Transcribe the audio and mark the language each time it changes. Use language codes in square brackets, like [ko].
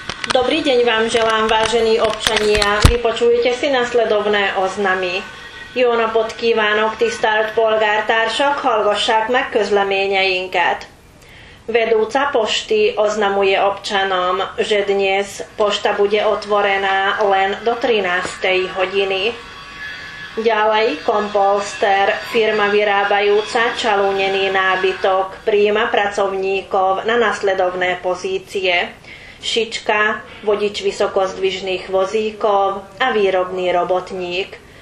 [sk] Dobrý deň vám želám, vážení občania. Vypočujete si nasledovné oznamy. [hu] Jó napot kívánok, tisztelt polgártársak, hallgassák meg közleményeinket. [sk] Vedúca pošty oznamuje občanom, že dnes pošta bude otvorená len do 13. hodiny. Ďalej Komposter, firma vyrábajúca čalúnený nábytok, prijíma pracovníkov na nasledovné pozície. Šička, vodič vysokozdvižných vozíkov a výrobný robotník.